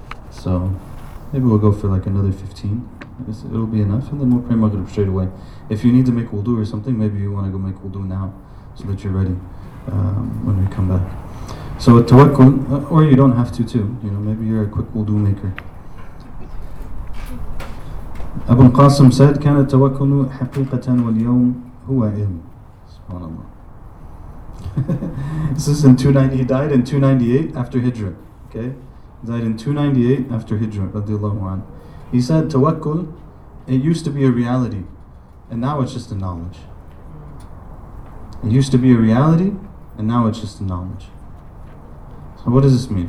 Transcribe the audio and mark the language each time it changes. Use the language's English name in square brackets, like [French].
[English] So, maybe we'll go for like another 15. It'll be enough, and then we'll pray Maghrib straight away. If you need to make wudu or something, maybe you want to go make wudu now, so that you're ready when we come back. So a tawakkul, or you don't have to too, you know, maybe you're a quick wudu maker. Abu Qasim said, [Arabic] كان التوكل حقيقة واليوم هو علم. [English] SubhanAllah. This is in 290, he died in 298 after Hijra. Okay? He died in 298 after Hijra, radiallahu anhu. He said, tawakkul, it used to be a reality, and now it's just a knowledge. It used to be a reality, and now it's just a knowledge. So what does this mean?